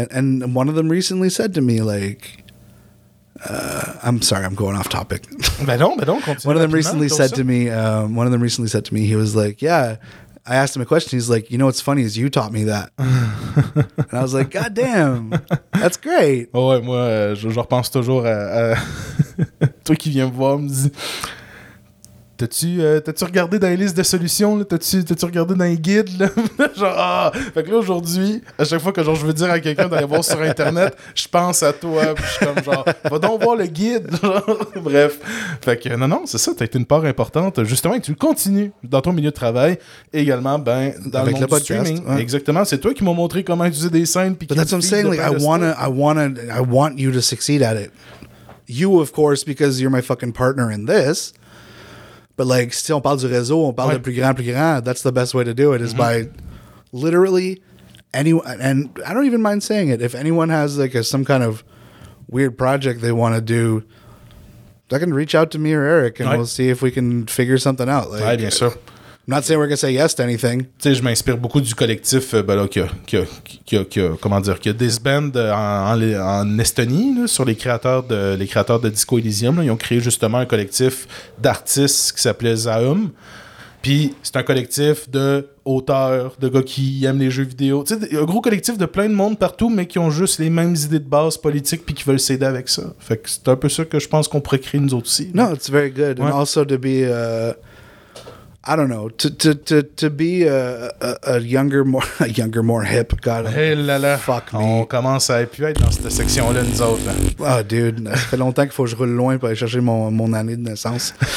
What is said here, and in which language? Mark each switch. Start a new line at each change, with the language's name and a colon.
English: And one of them recently said to me, like, I'm sorry, I'm going off topic. I don't. One of them recently said to me, he was like, yeah. I asked him a question. He's like, you know, what's funny is you taught me that. And I was like, God damn, that's great.
French: Oh, ouais, moi, je repense toujours à toi qui viens me voir, me dis, t'as-tu regardé dans les listes de solutions? T'as-tu regardé dans les guides? Là? Genre, ah! Fait que là, aujourd'hui, à chaque fois que genre, je veux dire à quelqu'un d'aller voir sur Internet, je pense à toi. Puis je suis comme genre, va donc voir le guide. Bref. Fait que non, c'est ça. T'as été une part importante. Justement, et tu continues dans ton milieu de travail. Également, ben, dans avec le monde le podcast, du streaming. Ouais. Exactement. C'est toi qui m'as montré comment utiliser des scènes. Puis
English: but that's what I'm saying. Like, I want you to succeed at it. You, of course, because you're my fucking partner in this. But like,
French: si on parle du réseau, on parle de plus grand,
English: that's the best way to do it, is by literally anyone, and I don't even mind saying it, if anyone has like some kind of weird project they want to do, they can reach out to me or Eric, and we'll see if we can figure something out.
French: Like, bien sûr.
English: I'm not saying we're going to say yes to anything.
French: Tu sais, je m'inspire beaucoup du collectif, ben là, qui a disband en Estonie, là, sur les créateurs de Disco Elysium. Là. Ils ont créé justement un collectif d'artistes qui s'appelait Zaum. Puis c'est un collectif d'auteurs, de gars qui aiment les jeux vidéo. Tu sais, un gros collectif de plein de monde partout, mais qui ont juste les mêmes idées de base politiques puis qui veulent s'aider avec ça. Fait que c'est un peu ça que je pense qu'on pourrait créer nous autres aussi.
English: Non, it's very good. Ouais. And also to be... I don't know, to be a younger, more hip, God.
French: Hey là là,
English: fuck me.
French: On commence à plus être dans cette section-là, nous autres. Oh, dude, ça fait longtemps qu'il faut que je roule loin pour aller chercher mon année de naissance.